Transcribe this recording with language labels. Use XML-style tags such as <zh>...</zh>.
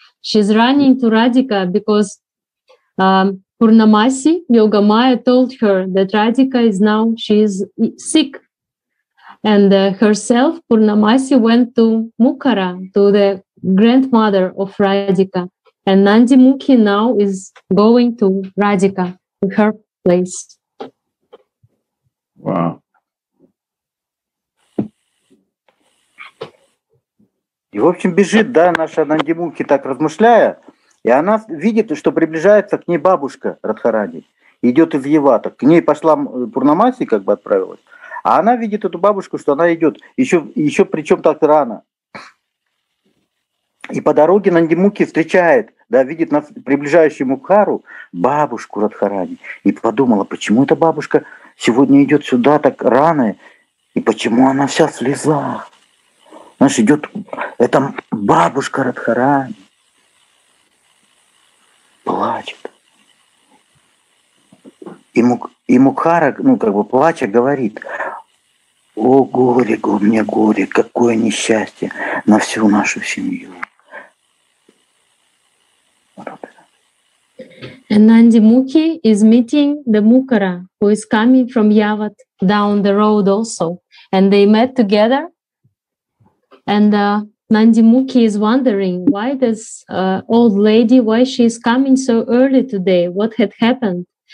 <en>She's running to Radhika because Purnamasi, Yoga Maya, told her that Radhika is now, she is sick. And herself, Purnamasi, went to Mukhara, to the grandmother of Radhika. And Nandimukhi now is going to Radhika, to her place. Wow.</en> <ru>И, в общем, бежит, да, наша Нандимукхи, так размышляя, и она видит, что приближается к ней бабушка Радхарани, идет из Евата. К ней пошла Пурнамаси, как бы отправилась, а она видит эту бабушку, что она идет, еще причем так рано. И по дороге Нандимукхи встречает, да, видит на приближающую Мукхару бабушку Радхарани, и подумала, почему эта бабушка сегодня идет сюда так рано, и почему она вся в слезах. Знаешь, идет эта бабушка Радхарани, плачет. И Мукхара, ну, как бы плача, говорит: о, горе, у меня горе, какое несчастье на всю нашу семью.</ru> <en>And Nandimukhi is meeting the Mukhara, who is coming from Yavat down the road also. And they met together. And Nandimukhi is wondering why this old lady, why she is coming so early today, what had happened.</en>